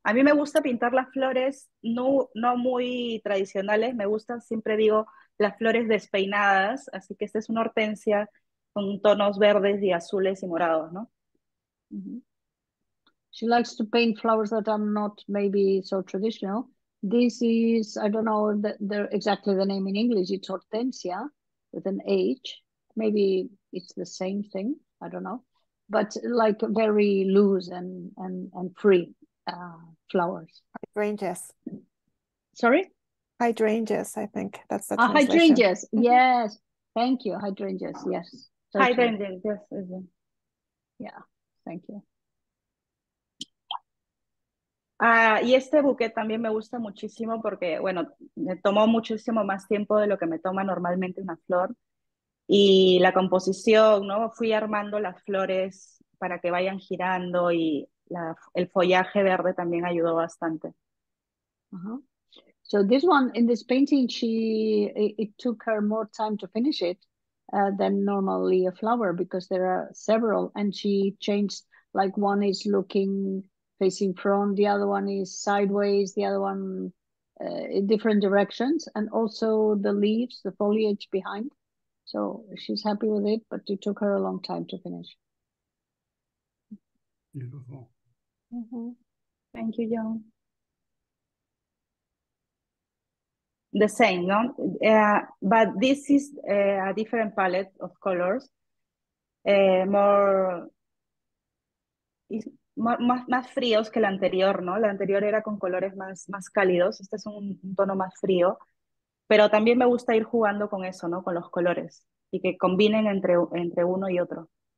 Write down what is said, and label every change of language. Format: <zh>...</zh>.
<es>A mí me gusta pintar las flores no muy tradicionales, me gustan, siempre digo, las flores despeinadas, así que esta es una hortensia con tonos verdes y azules y morados, ¿no?</es> <en>She likes to paint flowers that are not maybe so traditional. This is, I don't know exactly the name in English. It's hortensia with an H. Maybe it's the same thing. I don't know. But like very loose and free flowers. Hydrangeas. Sorry? Hydrangeas, I think that's the Ah, translation. hydrangeas. Yes. Thank you. Hydrangeas. Yes. So true. Hydrangeas. Yes. Yeah. Thank you.</en> <es>Y este buque también me gusta muchísimo porque, bueno, me tomó muchísimo más tiempo de lo que me toma normalmente una flor. Y la composición, ¿no? Fui armando las flores para que vayan girando y el follaje verde también ayudó bastante.</es> <en>So this one in this painting, it took her more time to finish it than normally a flower because there are several, and she changed like one is looking facing front, the other one is sideways, the other one in different directions, and also the leaves, the foliage behind. So she's happy with it, but it took her a long time to finish. Beautiful. Thank you, John. The same, no? But this is a different palette of colors. More, is more</en> <es>más fríos que la anterior, ¿no? La anterior era con colores más cálidos. Este es un tono más frío. Pero también me gusta ir jugando con eso, ¿no? Con los colores y que combinen entre uno y otro.</es>